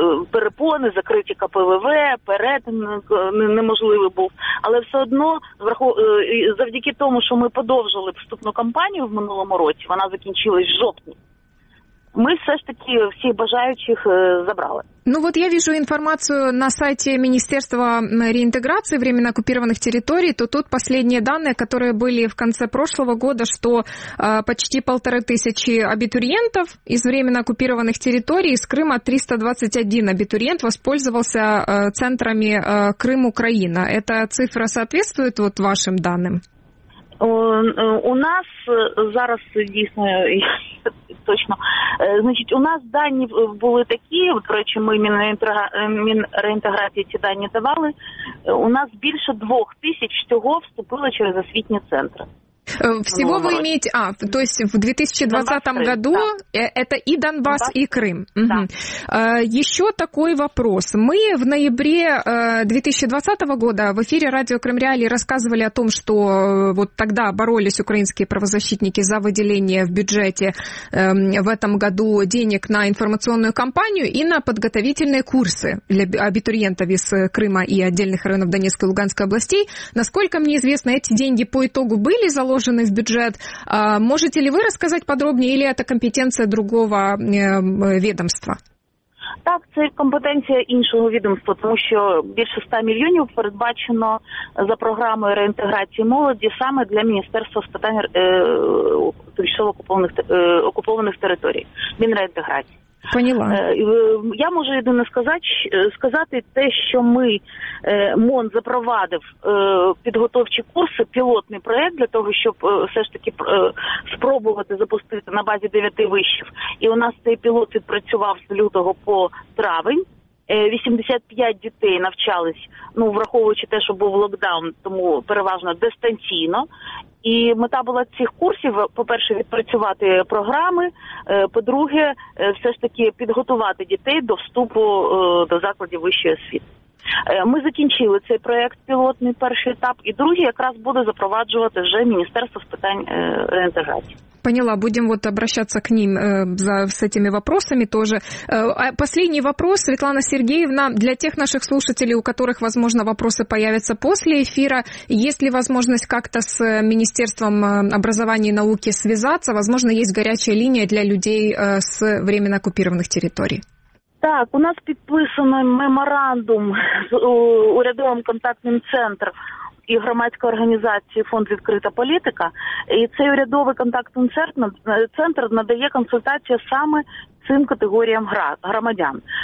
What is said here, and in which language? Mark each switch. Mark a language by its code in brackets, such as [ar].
[uk] Перепони, закриті КПВВ, перетин неможливий був. Але все одно, завдяки тому, що ми подовжили вступну кампанію в минулому році, вона закінчилась в жовтні, ми все ж таки всіх бажаючих забрали. [ru] Ну вот я вижу информацию на сайте Министерства реинтеграции временно оккупированных территорий, то тут последние данные, которые были в конце прошлого года, что почти 1500 абитуриентов из временно оккупированных территорий, из Крыма 321 абитуриент воспользовался центрами Крым-Украина. Эта цифра соответствует вот вашим данным? [uk] У нас зараз дійсно точно. Значить, у нас дані були такі, до речі, ми Мінреінтеграції ці дані давали. У нас більше 2000 цього вступило через освітні центри. Всього ви маєте, [ru] то есть в 2020 году это и Донбасс, и Крым. Угу. Да. Еще такой вопрос. Мы в ноябре 2020 года в эфире радио Крым Реалии рассказывали о том, что вот тогда боролись украинские правозащитники за выделение в бюджете в этом году денег на информационную кампанию и на подготовительные курсы для абитуриентов из Крыма и отдельных районов Донецкой и Луганской областей. Насколько мне известно, эти деньги по итогу были заложены в бюджет. Можете ли вы рассказать подробнее, или это компетенция другого ведомства? [uk] Так, це компетенція іншого відомства, тому що більше 100 мільйонів передбачено за програмою реінтеграції молоді саме для Міністерства з питань тимчасово окупованих територій, Мінреінтеграції. [ru] Поняла. [uk] Я можу єдине сказати те, що ми, МОН запровадив підготовчі курси, пілотний проєкт для того, щоб все ж таки спробувати запустити на базі 9 вишів. І у нас цей пілот відпрацював з лютого по травень. 85 дітей навчались, ну, враховуючи те, що був локдаун, тому переважно дистанційно. І мета була цих курсів, по-перше, відпрацювати програми, по-друге, все ж таки підготувати дітей до вступу до закладів вищої освіти. Ми закінчили цей проєкт пілотний, перший етап, і другий якраз буде запроваджувати вже Міністерство з питань реінтеграції. [ru] Поняла, будем вот обращаться к ним с этими вопросами тоже. Последний вопрос, Светлана Сергеевна, для тех наших слушателей, у которых, возможно, вопросы появятся после эфира, есть ли возможность как-то с Министерством образования и науки связаться? Возможно, есть горячая линия для людей с временно оккупированных территорий? [uk] Так, у нас підписано меморандум з урядовим контактним центром і громадської організації «Фонд відкрита політика». І цей урядовий контактний центр надає консультації саме цим категоріям громадян.